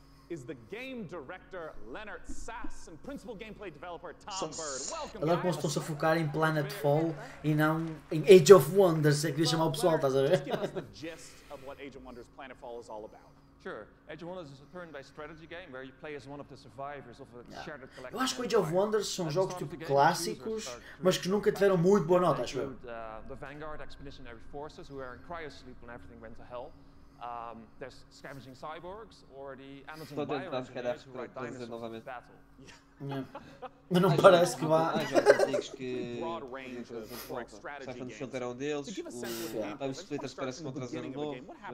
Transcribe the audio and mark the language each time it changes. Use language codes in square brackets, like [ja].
[en] Is the game director Leonard Sass and principal gameplay developer Tom Bird. Welcome. [pt] Agora como estão-se a focar em Planetfall e não em Age of Wonders, é que devia chamar o pessoal, estás a ver? [en] Just give us the gist of what Age of Wonders Planetfall is all about. Sure. Age of Wonders is a turn-based strategy game where you play as one of the survivors of a shattered collective. [pt] Eu acho que Age of Wonders são jogos tipo clássicos, mas que nunca tiveram muito boa nota, acho eu. [en] The Vanguard Expeditionary Forces who are in cryosleep when everything went to hell. There's scavenging cyborgs or the Amazon bioengineers who write dinosaurs of battle. [pt] Mas não parece que vá. Há jogos antigos que Cypher Shield era um deles, o Time Splitters parece que vão trazer um novo.